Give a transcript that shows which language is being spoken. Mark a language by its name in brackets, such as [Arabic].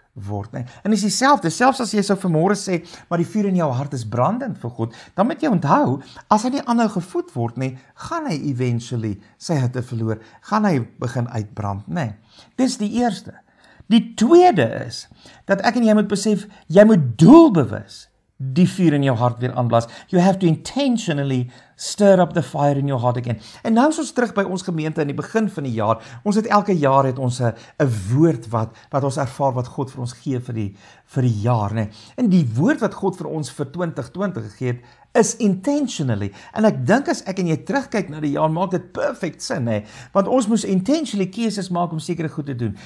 [Afrikaans] word. Nee. En is dieselfde, selfs as jy so vanmôre sê, maar die vuur in jou hart is brandend vir God, dan moet jy onthou, as hy nie aanhou gevoed word, nee, gaan hy eventually sy hitte verloor, gaan hy begin uitbrand. Nee. Dis die eerste. Die tweede is, dat ek en jy moet besef, jy moet doelbewus die vuur in jou hart weer aanblaas. [English] You have to intentionally stir up the fire in your heart again. [Afrikaans] En nou is ons terug by ons gemeente in die begin van die jaar. Ons het elke jaar het ons 'n woord wat ons ervaar wat God vir ons gee vir die jaar. Nee. En die woord wat God vir ons vir 2020 gegee het, is intentionally. En ek dink as ek en jy terugkyk na die jaar, maak dit perfect sin. Nee. Want ons moes intentionally keuses maak om sekere goed te doen.